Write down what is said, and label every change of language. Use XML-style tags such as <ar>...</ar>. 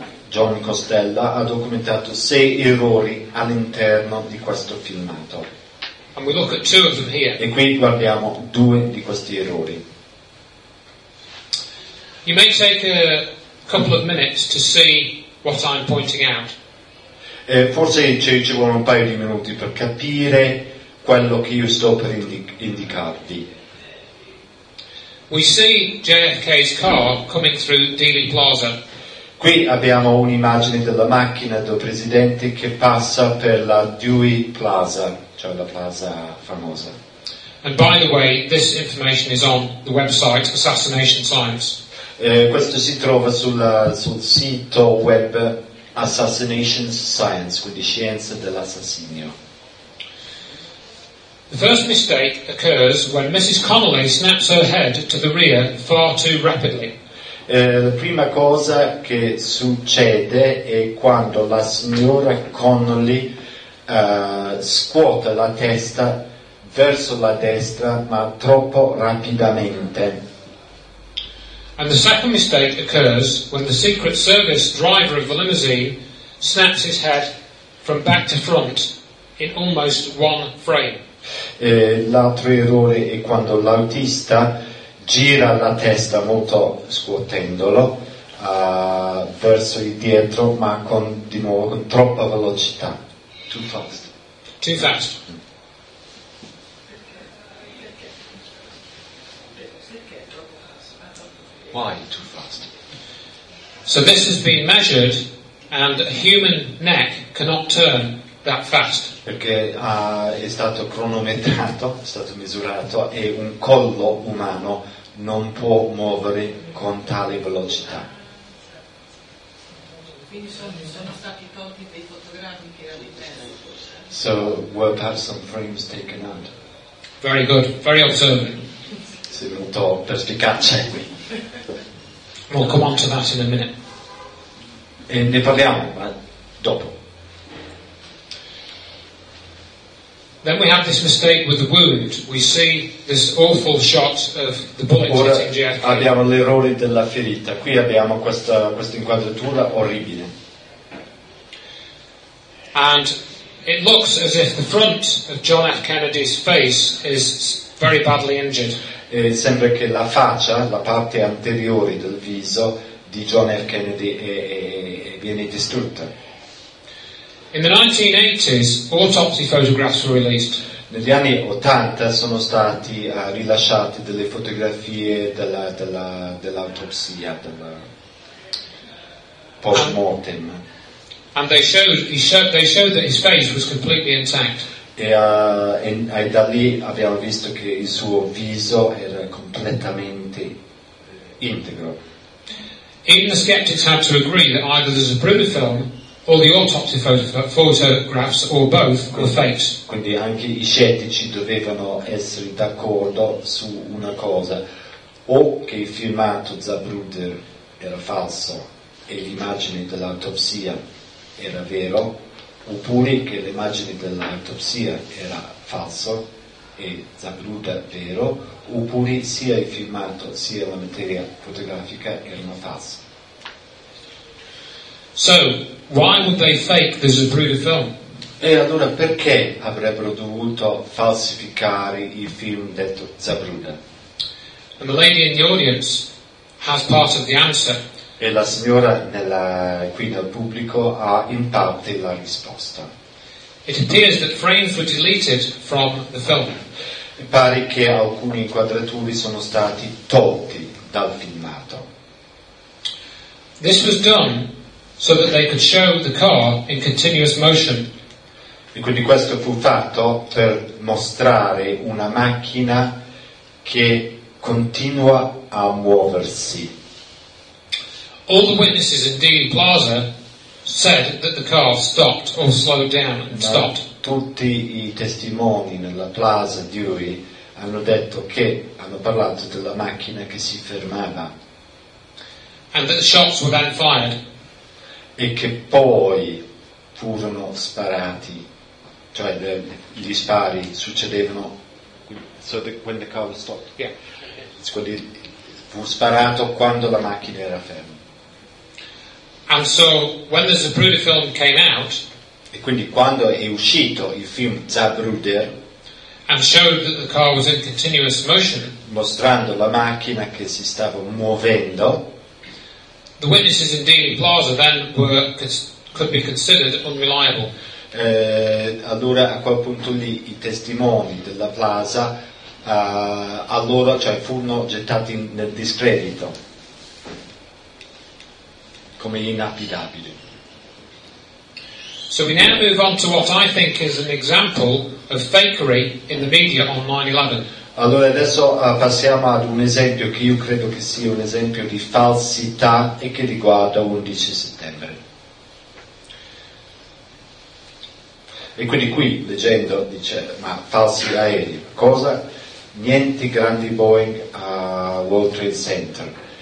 <it>John Costella ha documentato sei errori all'interno di questo filmato.</it> <en>And we look at two of them here.</en> <it>E qui guardiamo due di questi errori.</it> <en>You may take a couple of minutes to see what I'm pointing out.</en> <it>Forse ci vuole un paio di minuti per capire quello che io sto per indicarvi.</it> <en>We see JFK's car coming through Dealey Plaza.</en> <it>Qui abbiamo un'immagine della macchina del presidente che passa per la Dewey Plaza, cioè la plaza famosa.</it> <en>And by the way, this information is on the website Assassination Times.</en> <it>Questo si trova sul sito web Assassination Science, quindi scienza dell'assassinio.</it> <en>The first mistake occurs when Mrs. Connolly snaps her head to the rear far too rapidly.</en> <it>La prima cosa che succede è quando la signora Connolly scuote la testa verso la destra, ma troppo rapidamente.</it> <en>And the second mistake occurs when the Secret Service driver of the limousine snaps his head from back to front in almost one frame.</en> <it>L'altro errore è quando l'autista gira la testa molto scuotendolo verso il dietro, ma con di nuovo con troppa velocità.</it> <en>Too fast. Too fast. Why too fast? So this has been measured, and a human neck cannot turn that fast.</en> <it>Perché è stato cronometrato, è stato misurato, e un collo umano non può muovere con tale velocità.</it> <en>So, were perhaps some frames taken out? Very good, very observant.</en> <it>Sei molto perspicace qui.</it> <en>We'll come on to that in a minute.</en> <it>E ne parliamo, ma dopo.</it> <en>Then we have this mistake with the wound. We see this awful shot of the bullet</en> <it>ora</it> <en>hitting JFK.</en> <it>Abbiamo l'errore della ferita. Qui abbiamo questa inquadratura orribile.</it> <en>And it looks as if the front of John F. Kennedy's face is very badly injured.</en> <it>E sembra che la faccia, la parte anteriore del viso di John F. Kennedy viene distrutta.</it> <en>In the 1980s, autopsy photographs were released.</en> <it>Negli anni 80 sono stati rilasciate delle fotografie dell'autopsia, della post-mortem.</it> <en>And they showed that his face was completely intact.</en> <it>E da lì abbiamo visto che il suo viso era completamente integro.</it> <en>Even the skeptics had to agree that either there's a Zapruder film or the autopsy photographs, or both, were fakes.</en> <it>Quindi anche i scettici dovevano essere d'accordo su una cosa: o che il filmato Zapruder era falso e l'immagine dell'autopsia era vero, oppure che l'immagine dell'autopsia era falso e Zapruder vero, oppure sia il filmato sia la materia fotografica erano falsi.</it> <en>So, why would they fake the Zapruder film?</en> <it>E allora perché avrebbero dovuto falsificare il film detto Zapruder?</it> <en>And the lady in the audience has part of the answer.</en> <it>E la signora qui nel pubblico ha in parte la risposta.</it> <en>It appears that frames were deleted from the film.</en> <it>E pare che alcuni inquadrature sono stati tolti dal filmato.</it> <en>This was done so that they could show the car in continuous motion.</en> <it>E quindi questo fu fatto per mostrare una macchina che continua a muoversi.</it> <en>All the witnesses in Dealey Plaza said that the car stopped or slowed down and stopped.</en> <it>Tutti i testimoni nella Plaza Dewey hanno detto che hanno parlato della macchina che si fermava.</it> <en>And that the shots were then fired.</en> <it>E che poi furono sparati, cioè gli spari succedevano</it> <en>So the, when the car was stopped? Yeah. So it</en> <it>fu sparato quando la macchina era ferma.</it> <en>And so when the Zapruder film came out,</en> <it>e quindi quando è uscito il film Zapruder,</it> <en>and showed that the car was in continuous motion,</en> <it>mostrando la macchina che si stava muovendo,</it> <en>the witnesses in Dealey Plaza then were could be considered unreliable.</en> <it>Allora a quel punto lì i testimoni della Plaza allora cioè furono gettati nel discredito come inaffidabili.</it> <en>So we now move on to what I think is an example of fakery in the media on 9/11.</en> <it>Allora adesso passiamo ad un esempio che io credo che sia un esempio di falsità e che riguarda 11 settembre. E quindi qui, leggendo, dice, ma falsi aerei, cosa? Niente grandi Boeing a World Trade Center.</it>